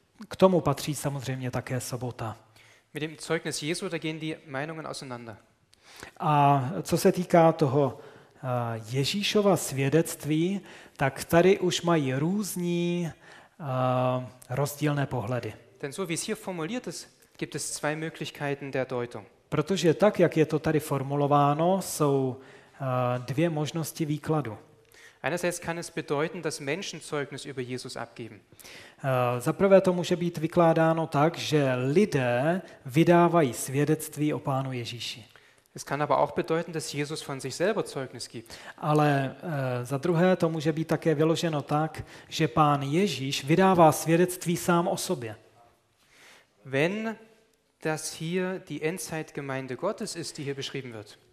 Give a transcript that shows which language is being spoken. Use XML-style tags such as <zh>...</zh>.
<cs>K tomu patří samozřejmě také sobota.</cs> <de>Mit dem Zeugnis Jesu, da gehen die Meinungen auseinander.</de> <cs>A co se týká toho Ježíšova svědectví, tak tady už mají různí rozdílné pohledy.</cs> <de>Denn so wie es hier formuliert ist, gibt es zwei Möglichkeiten der Deutung.</de> <cs>Protože tak, jak je to tady formulováno, jsou dvě možnosti výkladu.</cs> <de>Einerseits kann es bedeuten, dass Menschen Zeugnis über Jesus abgeben.</de> <cs>Zaprvé to může být vykládáno tak, že lidé vydávají svědectví o Pánu Ježíši.</cs> <de>Es kann aber auch bedeuten, dass Jesus von sich selber Zeugnis gibt.</de> <cs>Ale za druhé to může být také vyloženo tak, že Pán Ježíš vydává svědectví sám o sobě.</cs> <de>Wenn das hier die Endzeitgemeinde Gottes ist, die hier beschrieben wird.</de>